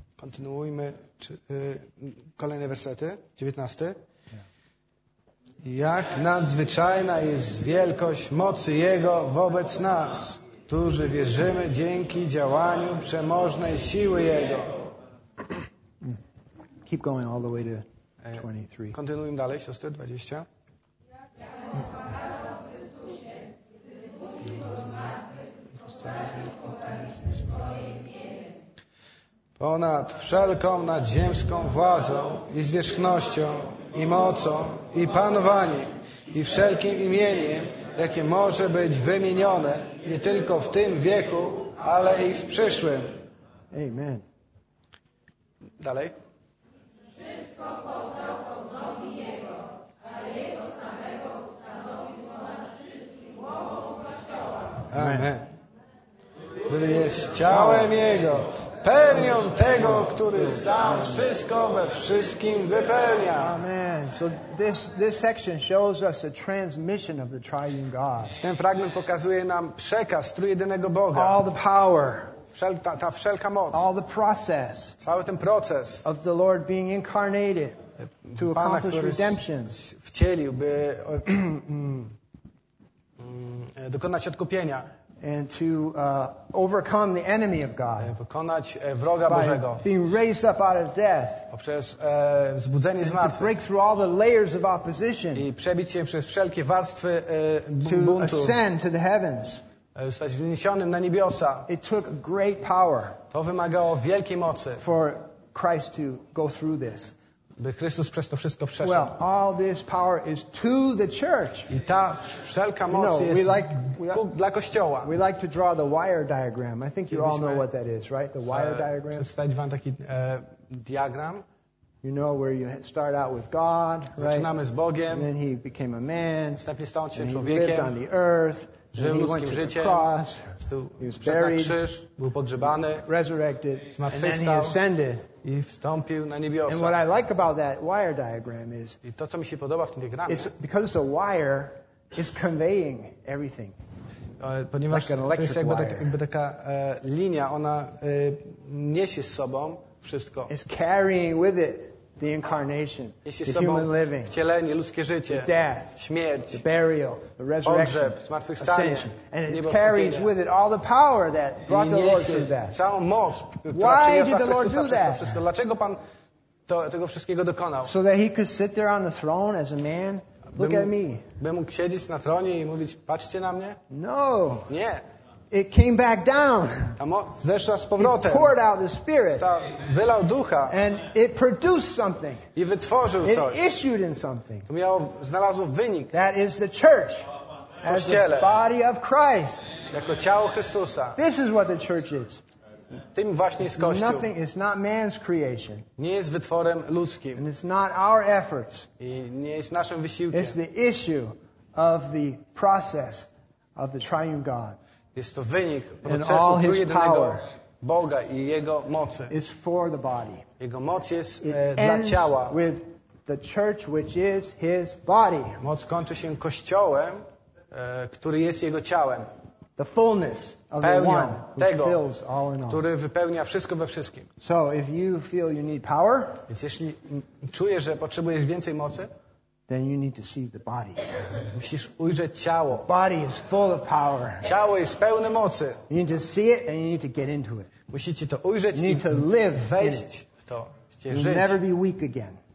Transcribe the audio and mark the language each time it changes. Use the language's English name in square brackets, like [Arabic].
[Polish] Kontynuujmy kolejne wersety, 19. Jak nadzwyczajna jest wielkość mocy Jego wobec nas, którzy wierzymy dzięki działaniu przemożnej siły Jego. [English] Keep going all the way to 23. [Polish] Kontynuujmy dalej, siostry, 20. Ponad wszelką nadziemską władzą i zwierzchnością i mocą i panowaniem i wszelkim imieniem, jakie może być wymienione nie tylko w tym wieku, ale i w przyszłym. Amen. Dalej. Wszystko poddał pod nogi Jego, a Jego samego ustanowił ponad wszystkim głową kościoła. Amen. Który jest ciałem Jego, pełnią tego, który sam wszystko we wszystkim wypełnia. Amen. [English] So this section shows us the transmission of the triune God. [Polish] Ten fragment pokazuje nam przekaz trójjedynego Boga. [English] All the power. [Polish] Ta wszelka moc. [English] All the process. [Polish] Cały ten proces. [English] Of the Lord being incarnated to accomplish redemption. [Polish] Wcielił, by dokonać odkupienia. [English] and to overcome the enemy of God. [Polish] Pokonać wroga Bożego. [English] Being raised up out of death. [Polish] Poprzez wzbudzenie [English] and [Polish] z martwych. [English] To break through all the layers of opposition. [Polish] I przebić się przez wszelkie warstwy buntu. [English] To ascend to the heavens. [Polish] Zostać wyniesionym na niebiosa. [English] It took great power. [Polish] To wymagało wielkiej mocy. [English] For Christ to go through this. [Polish] By Chrystus przez to wszystko przeszedł. [English] Well, all this power is to the church. [Polish] I ta wszelka moc jest dla Kościoła. [English] We like to draw the wire diagram. I think you all know what that is, right? The wire diagram. [Polish] Przedstawić wam taki diagram. [English] You know where you start out with God, right? [Polish] Zaczynamy z Bogiem. [English] And then he became a man. [Polish] Następnie stał się [English] and [Polish] człowiekiem. [English] He lived on the earth. [Polish] Żył [English] and [Polish] ludzkim życiem. [English] Cross, he was buried, [Polish] na krzyż, był pogrzebany. [English] Resurrected. [Polish] Zmartwychwstał. [English] And then he ascended. [Polish] I wstąpił na niebiosa. [English] And what I like about that wire diagram is, [Polish] i to, co mi się podoba w tym diagramie, [English] it's, because it's a wire, it's conveying everything. [Polish] Ponieważ [English] like an electric [Polish] to jest jakby, jakby taka linia, ona niesie z sobą wszystko. [English] It's carrying with it the incarnation, [Polish] niesie [English] the human living, [Polish] wcielenie, ludzkie życie, [English] the death, [Polish] śmierć, [English] the burial, the resurrection, [Polish] pogrzeb, zmartwychwstanie, ascension. [English] And it carries with it all the power that brought the Lord through that. [Polish] Całą moc, [English] why did the Lord do that? [Polish] Dlaczego Pan to, tego wszystkiego dokonał? [English] So that he could sit there on the throne as a man, look at me. [Polish] By mógł siedzieć na tronie i mówić, patrzcie na mnie? [English] No. [Polish] Nie. [English] It came back down. [Polish] Zeszła z powrotem. [English] It poured out the Spirit. [Polish] Wylał ducha. [English] And it produced something. [Polish] I wytworzył [English] it [Polish] coś. [English] Issued in something. [Polish] To miało, znalazło wynik. [English] That is the church. [Polish] Kościele. [English] As the body of Christ. [Polish] Jako ciało Chrystusa. [English] This is what the church is. [Polish] Tym właśnie jest Kościół. [English] Nothing, it's not man's creation. [Polish] Nie jest wytworem ludzkim. [English] And it's not our efforts. [Polish] I nie jest naszym wysiłkiem. [English] It's the issue of the process of the triune God. [Polish] Jest to wynik procesu trójjedynego Boga i Jego mocy. [English] Is for the body. [Polish] Jego moc jest [English] it [Polish] dla ciała. [English] With the church, which is his body. [Polish] Moc kończy się Kościołem, który jest Jego ciałem. [English] The fullness of [Polish] pełnią [English] the one [Polish] tego, [English] fills all in all. [Polish] Który wypełnia wszystko we wszystkim. [English] So if you feel you need power, [Polish] więc jeśli czujesz, że potrzebujesz więcej mocy, [English] then you need to see the body. [Polish] Musisz ujrzeć ciało. [English] Body is full of power. [Polish] Ciało jest pełne mocy. [English] You need to see it and you need to get into it. [Polish] Musicie to ujrzeć. [English] You need to live. [Polish] Wejść w to. [English] You'll never be weak again.